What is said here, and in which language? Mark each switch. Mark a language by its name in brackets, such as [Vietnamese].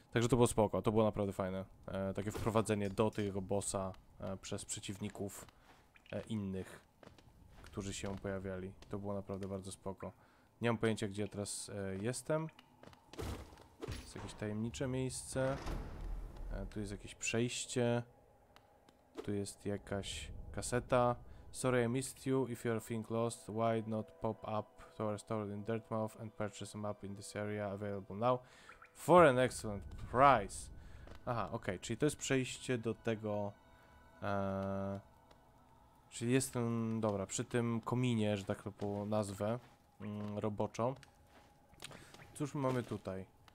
[Polish] Także to było spoko, to było naprawdę fajne. Takie wprowadzenie do tego bossa przez przeciwników innych, którzy się pojawiali. To było naprawdę bardzo spoko. Nie mam pojęcia, gdzie ja teraz jestem. Jest jakieś tajemnicze miejsce. Tu jest jakieś przejście. Tu jest jakaś kaseta. [English] Sorry I missed you, if you're think lost, why not pop up to our store in Dirtmouth and purchase a map in this area available now for an excellent price. [Polish] Aha, okej, okay, czyli to jest przejście do tego... czyli jestem, dobra, przy tym kominie, że tak to po nazwę, roboczo. Cóż my mamy tutaj?